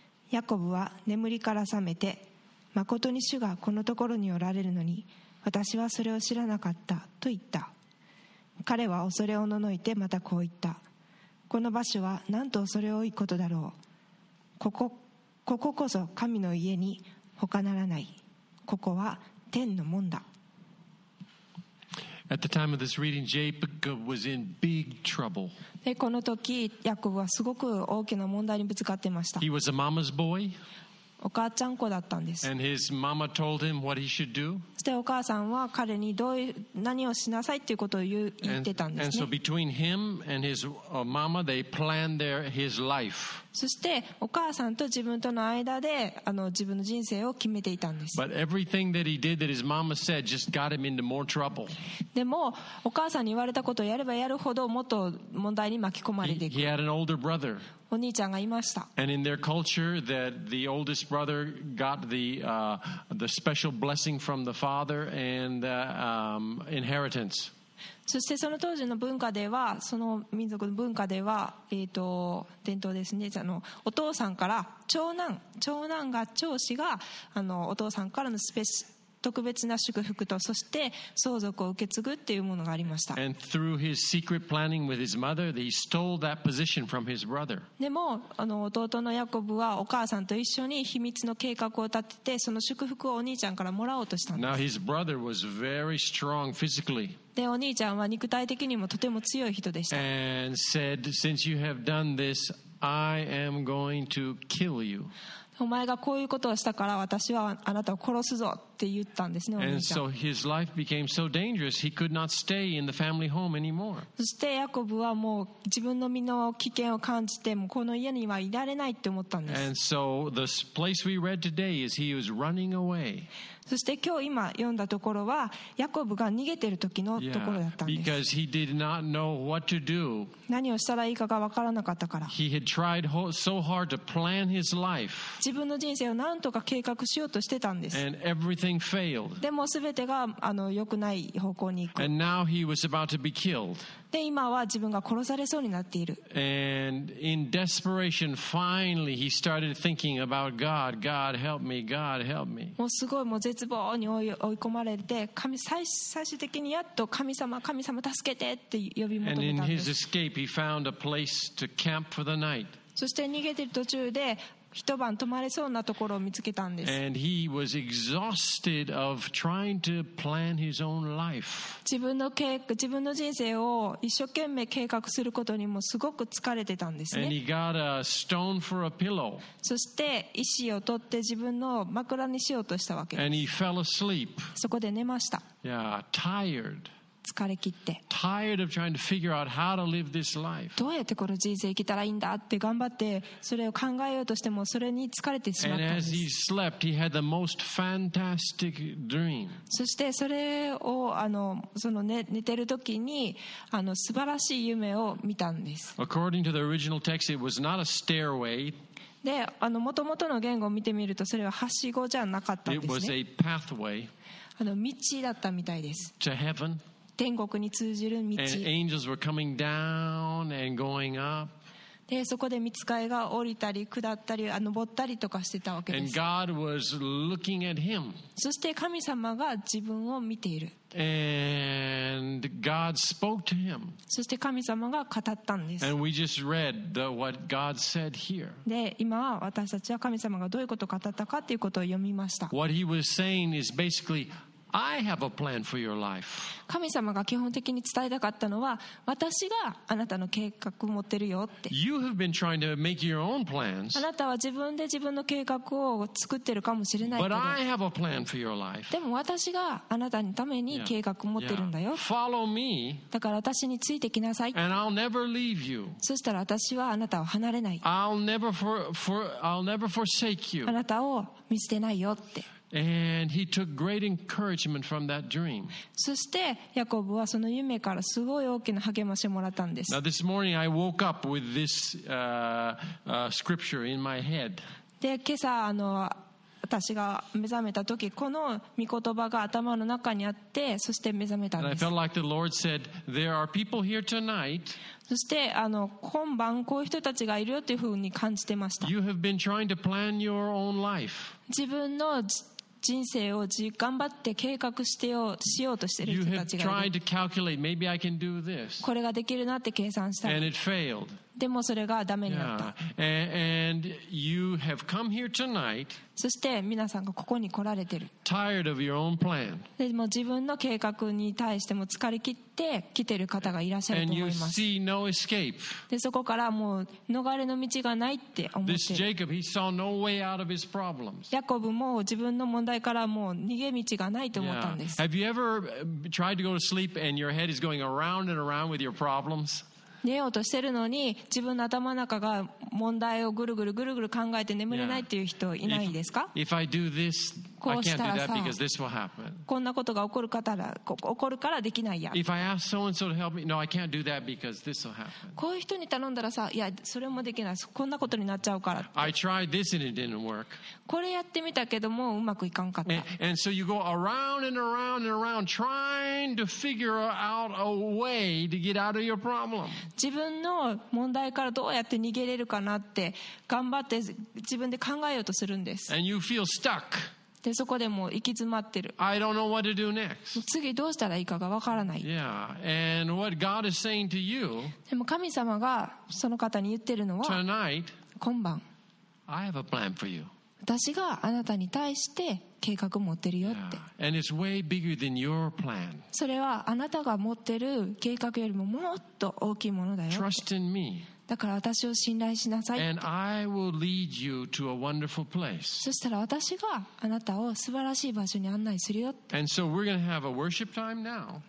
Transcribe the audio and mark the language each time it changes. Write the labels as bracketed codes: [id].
[ja] ヤコブは眠りから覚めて、まことに主がこのところにおられるのに私はそれを知らなかったと言った。彼は恐れおののいてまたこう言った。この場所はなんと恐れ多いことだろう。ここここそ神の家に他ならない。ここは天の門だ。 [en] At the time of this reading, Jacob was in big trouble. [ja] で、この時、ヤコブはすごく大きな問題にぶつかってました。 [en] He was a mama's boy. [ja] お母ちゃん子だったんです。 [en] And his mama told him what he should do. [ja] そしてお母さんは彼にどういう何をしなさいということを言ってたんですね。 [en] And so between him and his mama, they planned his life. [ja] そしてお母さんと自分との間で自分の人生を決めていたんです。 [en] But everything that he did that his mama said just got him into more trouble. [ja] でもお母さんに言われたことをやればやるほどもっと問題に巻き込まれていく。 [en] He had an older brother. [ja] お兄ちゃんがいました。 [en] And in their culture that the oldest brother got the special blessing from the father and inheritance. [ja] そしてその当時の文化では、その民族の文化では、伝統ですね、お父さんから長男が長子がお父さんからのスペシ特別な祝福とそして相続を受け継ぐっていうものがありました。 [en] And through his secret planning with his mother, he stole that position from his brother. [ja] でも、あの弟のヤコブはお母さんと一緒に秘密の計画を立ててその祝福をお兄ちゃんからもらおうとしたんです。 [en] Now his brother was very strong physically. [ja] でお兄ちゃんは肉体的にもとても強い人でした。 [en] And said, since you have done this, I am going to kill you. [ja] お前がこういうことをしたから私はあなたを殺すぞって言ったんですね、お兄ちゃん。 [en] And so his life became so dangerous, he could not stay in the family home anymore. [ja] そしてヤコブはもう自分の身の危険を感じてもうこの家にはいられないって思ったんです。 [en] And so the place we read today is he was running away. [ja] そして今日今読んだところはヤコブが逃げてる時のところだったんです。 [en] Yeah, because he did not know what to do. [ja] 何をしたらいいかが分からなかったから。 [en] He had tried so hard to plan his life. [ja] 自分の人生を何とか計画しようとしてたんです。 [en] And everything failed. [ja] でも全てが良くない方向に行く。 [en] And now he was about to be killed. [ja] で今は自分が殺されそうになっている。 [en] And in desperation, finally he started thinking about God. God help me. God help me. [ja] もうすごいもう絶望に追い込まれて、最終的にやっと神様、神様助けてって呼び求めたんです。 [en] And in his escape, he found a place to camp for the night. [ja] そして逃げてる途中で。一晩泊まれそうなところを見つけたんです。 [en] And he was exhausted of trying to plan his own life. [ja] 自分の人生を一生懸命計画することにもすごく疲れてたんですね。 [en] And he got a stone for a pillow. [ja] そして石を取って自分の枕にしようとしたわけです。 [en] And he fell asleep. [ja] そこで寝ました。 [en] Yeah, tired. [ja] 疲れ切って。 [en] Tired of trying to figure out how to live this life. [ja] どうやってこの人生生きたらいいんだって頑張ってそれを考えようとしてもそれに疲れてしまったんです。 [en] And as he slept, he had the most fantastic dream. [ja] そしてそれをその寝てる時に素晴らしい夢を見たんです。 [en] According to the original text, it was not a stairway. [ja] で、元々の言語を見てみるとそれははしごじゃなかったんですね。 [en] It was a pathway. [ja] 道だったみたいです。 [en] To heaven. [ja] 天国に通じる道。 [en] And angels were coming down and going up. [ja] で、そこで御使いが降りたり下ったり登ったりとかしてたわけです。 [en] And God was looking at him. [ja] そして神様が自分を見ている。 [en] And God spoke to him. [ja] そして神様が語ったんです。 [en] And we just read what God said here. [ja] で、今は私たちは神様がどういうことを語ったかということを読みました。 [en] What he was saying is basically,I have a plan for your life. [ja] 神様が基本的に伝えたかったのは、私があなたの計画を持ってるよって。 [en] You have been trying to make your own plans. [ja] あなたは自分で自分の計画を作ってるかもしれないけど。 [en] But I have a plan for your life. [ja] でも私があなたのために計画を持ってるんだよ。 [en] Follow me. [ja] だから私についてきなさい。 [en] And I'll never leave you. [ja] そしたら私はあなたを離れない。 [en] I'll never forsake you. [ja] あなたを見捨てないよって。 [en] And he took great encouragement from that dream. [ja] そしてヤコブはその夢からすごい大きな励ましをもらったんです。 [en] Now this morning I woke up with this scripture in my head. [ja] で今朝私が目覚めた時この御言葉が頭の中にあってそして目覚めたんです。 [en] And I felt like the Lord said, there are people here tonight. [ja] そして今晩こういう人たちがいるよというふうに感じてました。 [en] You have been trying to plan your own life. [ja] 自分の人生を頑張って計画しようとしている人たちがいる。 [en] You have tried to calculate, maybe I can do this. [ja] これができるなって計算した。 [en] And it failed. [ja] でもそれがダメになった。 [en] Yeah. And you have come here tonight. [ja] そして皆さんがここに来られてる。 [en] Tired of your own plan. [ja] でも自分の計画に対しても疲れ切って来てる方がいらっしゃると思います。 [en] And you see no escape. [ja] でそこからもう逃れの道がないって思ってる。 [en] This Jacob, he saw no way out of his problems. [ja] ヤコブも自分の問題からもう逃げ道がないと思ったんです。 [en] Yeah. Have you ever tried to go to sleep and your head is going around and around with your problems? [ja] 寝ようとしてるのに自分の頭の中が問題をぐるぐるぐるぐる考えて眠れないっていう人いないですか？ [en] If I do this, I can't do that because this will happen. [ja] こんなことが起こるから、起こるからできないや。 [en] If I ask so and so to help me, no, I can't do that because this will happen. [ja] こういう人に頼んだらさ、いやそれもできない、こんなことになっちゃうから。 [en] I tried this and it didn't work. [ja] これやってみたけどもうまくいかんかった。 [en] And so you go around and around and around trying to figure out a way to get out of your problem. [ja] 自分の問題からどうやって逃げれるかなって頑張って自分で考えようとするんです。 [en] And you feel stuck. [ja] でそこでもう行き詰まってる。 [en] I don't know what to do next. [ja] 次どうしたらいいかがわからない。 [en] Yeah. And what God is saying to you, [ja] でも神様がその方に言ってるのは、 [en] Tonight, [ja] 今晩、 [en] I have a plan for you. [ja] 私があなたに対して計画持ってるよって。 [en] Yeah. And it's way bigger than your plan. [ja] それはあなたが持ってる計画よりももっと大きいものだよって。 [en] Trust in me. [ja] だから私を信頼しなさい。 [en] And I will lead you to a wonderful place. [ja] そしたら私があなたを素晴らしい場所に案内するよって。 [en] And so we're going to have a worship time now.